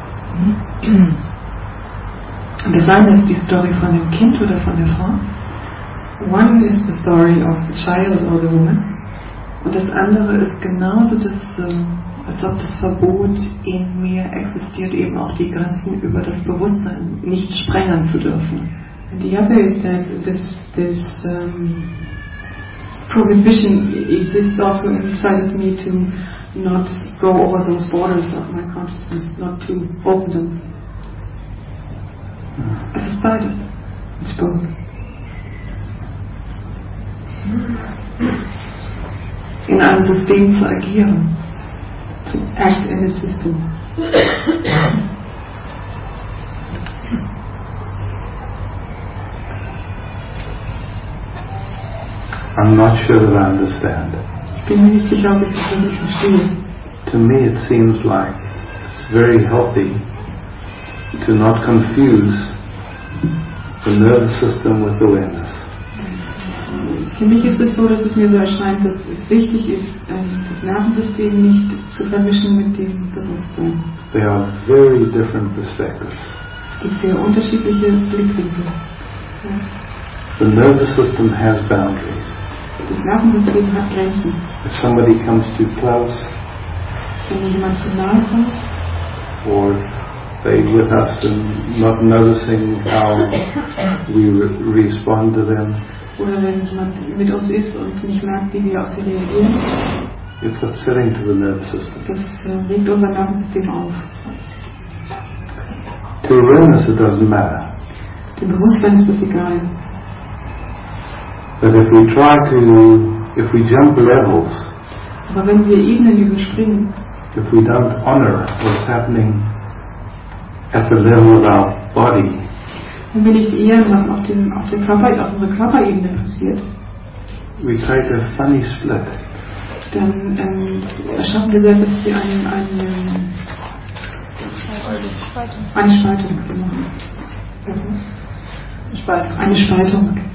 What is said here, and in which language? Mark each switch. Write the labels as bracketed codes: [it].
[de] Eine ist die Story von dem Kind oder von der Frau. [en] One is the story of the child or the woman. [de] Und das andere ist genauso, als ob das Verbot in mir existiert, eben auch die Grenzen über das Bewusstsein nicht sprengen zu dürfen. [en] And the other is that this prohibition exists also inside of me to not go over those borders of my consciousness, not to open them. [de] Es ist beides. [en] It's both. [de] In einem System zu agieren. [en] To act in a system. I'm not sure that I understand. [de] Ich bin mir nicht sicher, ob ich das wirklich verstehe. [en] To me it seems like it's very healthy to not confuse the nervous system with awareness. [de] Für mich ist es so, dass es mir so erscheint, dass es wichtig ist, das Nervensystem nicht zu vermischen mit dem Bewusstsein. [en] They are very different perspectives. [de] Es gibt sehr unterschiedliche Blickwinkel. [en] The nervous system has boundaries. [de] Das Nervensystem hat Grenzen. [en] If somebody comes too close, [de] wenn jemand zu nahe kommt, [en] or they with us and not noticing how we respond to them. [de] Oder wenn jemand mit uns ist und nicht merkt, wie wir auf sie reagieren. [en] It's upsetting to the nervous system. [de] Das regt unser Nervensystem auf. [en] To awareness it doesn't matter. [de] Dem Bewusstsein ist das egal. [en] But if we try to, if we jump levels. [de] Aber wenn wir Ebenen überspringen. [en] If we don't honor what's happening at the level of our body. [de] Wenn wir nicht ehren, was auf dem Körper, auf unserer Körperebene passiert, [en] we create a funny split. [de] Dann erschaffen wir selbst wie eine Spaltung. Eine Spaltung.